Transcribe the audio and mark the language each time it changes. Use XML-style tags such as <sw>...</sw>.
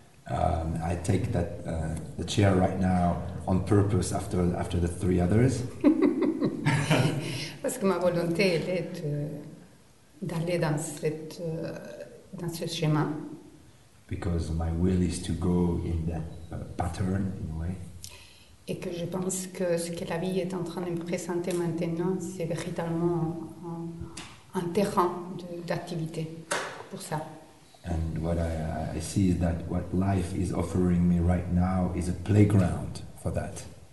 <en>I take that the chair right now on purpose after the three others.</en> <fr>Parce que ma volonté est d'aller dans cette dans ce schéma.</fr> <en>Because my will is to go in that pattern in a way.</en> <fr>Et que je pense que ce que la vie est en train de me présenter maintenant, c'est véritablement un terrain d'activité pour ça.</fr> <en>And what I see is that what life is offering me right now is a playground for that.</en>